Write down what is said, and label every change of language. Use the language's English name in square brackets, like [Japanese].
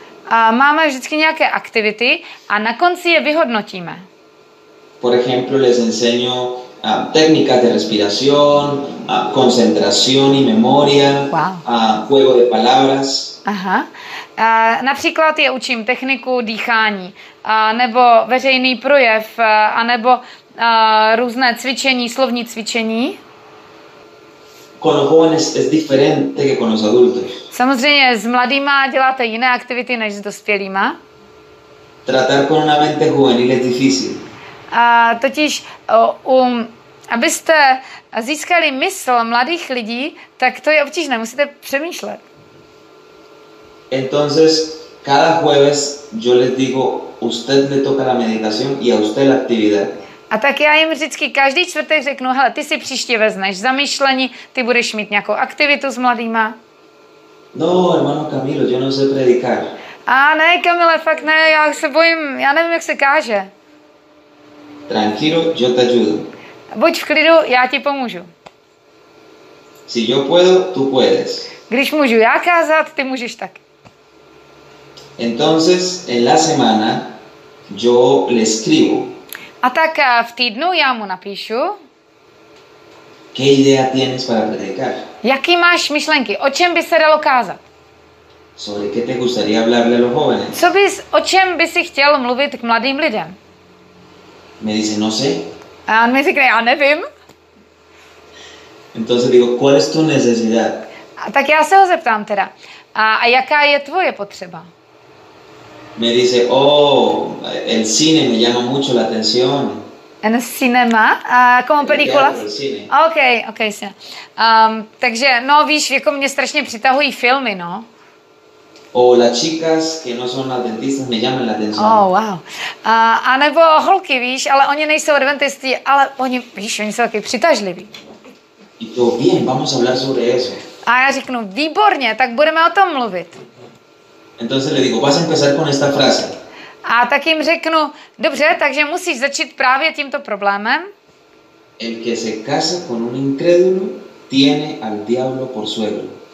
[Czech] A máme vždycky nějaké aktivity a na konci je vyhodnotíme. [Spanish] Por ejemplo, les enseño técnicas de respiración, concentración y memoria, juego de palabras. Aha. [Czech] Například je učím techniku dýchání, nebo veřejný projev, anebo různé cvičení, slovní cvičení. [Spanish] Con los jóvenes es diferente que con los adultos. [Czech] Samozřejmě s mladýma děláte jiné aktivity než s dospělýma. [Spanish] Tratar con una mente juvenil es difícil. [Czech] Totiž, abyste získali mysl mladých lidí, tak to je obtížné, musíte přemýšlet. [Spanish] Entonces, cada jueves yo les digo, usted le toca la meditación y a usted la actividad. [Czech] A tak já jim vždycky každý čtvrtek řeknu, hele, ty si příště vezmeš zamýšlení, ty budeš mít nějakou aktivitu s mladýma. [Spanish] No, hermano Camilo, yo no sé predicar. [Czech] A ne, Kamile, fakt ne, já se bojím, já nevím, jak se káže. [Spanish] Tranquilo, yo te ayudo. [Czech] Buď v klidu, já ti pomůžu. [Spanish] Si yo puedo, tú puedes. [Czech] Když můžu já kázat, ty můžeš tak. [Spanish] Entonces, en la semana, yo le escribo. [Czech] A tak v týdnu já mu napíšu. [Spanish] ¿Qué idea tienes para predicar? [Czech] Jaký máš myšlenky? O čem by se dalo kázat? [Spanish] ¿Sobre qué te gustaría hablarle a los jóvenes? [Czech] O čem by si chtěl mluvit k mladým lidem? [Spanish] Me dice, no sé. [Czech] A on mi říká, já nevím. [Spanish] Entonces digo, ¿cuál es tu necesidad? [Czech] A tak já se ho zeptám teda. A jaká je tvoje potřeba? [Spanish] Me dice, oh, el cine me llama mucho la atención. En el cinema? Como película? [English] Okay, [Spanish] sí. [Czech] Takže, no víš, jako mě strašně přitahují filmy, no. [Spanish] Oh, las chicas que no son las dentistas me llaman la atención. Oh, wow. [Czech] A nebo holky, víš, ale oni nejsou dentisti, ale oni, víš, oni jsou taky přitažliví. [Spanish] Y todo bien, vamos a hablar sobre eso. [Czech] A já řeknu, výborně, tak budeme o tom mluvit. [Spanish] Entonces le digo, vas a empezar con esta frase. [Czech] A tak jim řeknu, dobře, takže musíš začít právě tímto problémem. [Spanish] El que se casa con un incrédulo tiene al diablo por suegro.